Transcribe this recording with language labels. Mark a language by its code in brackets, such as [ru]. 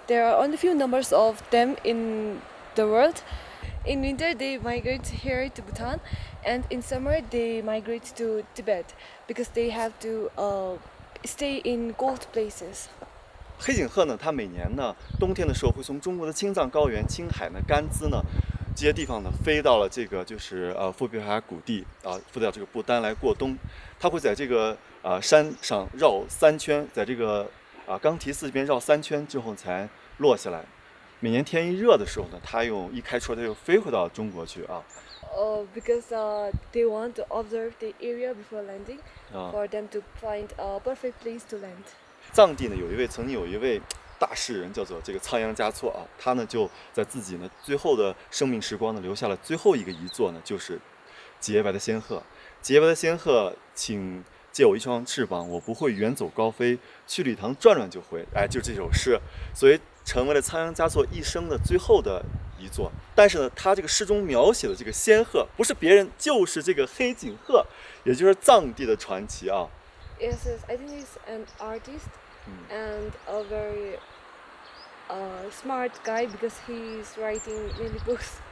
[en] There are only few numbers of them in the world. In winter, they migrate here to Bhutan, and in summer, they migrate to Tibet because they have to stay in cold places. [zh] 黑颈鹤呢，它每年呢，冬天的时候会从中国的青藏高原、青海呢、甘孜呢。这些地方呢飞到了这个就是富比海谷地啊，飞到这个不丹来过冬。它会在这个山上绕三圈，在这个冈提寺这边绕三圈之后才落下来。每年天一热的时候呢，它又一开春它又飞回到中国去啊。 [en] Because they want to observe the area before landing for them to find a perfect place to land. [zh] 藏地呢曾经有一位大诗人叫做这个仓央嘉措啊，他呢就在自己呢最后的生命时光呢留下了最后一个遗作呢，就是洁白的仙鹤。洁白的仙鹤，请借我一双翅膀，我不会远走高飞，去礼堂转转就回。哎，就这首诗，所以成为了仓央嘉措一生的最后的遗作。但是呢，他这个诗中描写的这个仙鹤不是别人，就是这个黑颈鹤，也就是藏地的传奇啊。 [en] Yes, I think he's an artist. And a very smart guy because he's writing many books.